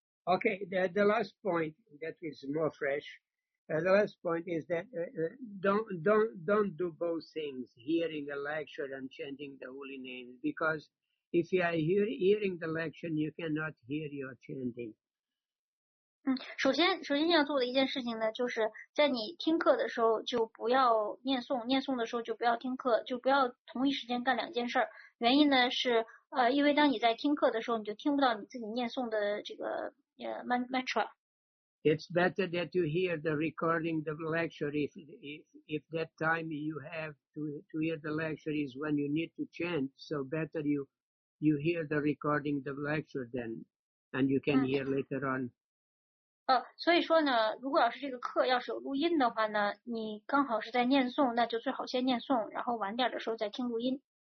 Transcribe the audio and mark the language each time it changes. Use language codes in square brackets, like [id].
[en] Okay, the last point that is more fresh. The last point is that don't do both things, hearing a lecture and chanting the holy name, because If you are hearing the lecture, you cannot hear your chanting. [zh] 嗯，首先要做的一件事情呢，就是在你听课的时候就不要念诵，念诵的时候就不要听课，就不要同一时间干两件事儿。原因呢是，因为当你在听课的时候，你就听不到你自己念诵的这个mantra。 [en] It's better that you hear the recording of the lecture if that time you have to hear the lecture is when you need to chant. So better you hear the recording of the lecture then, and you can hear later on. [zh] 所以说呢，如果老师这个课要是有录音的话呢，你刚好是在念诵，那就最好先念诵，然后晚点的时候再听录音。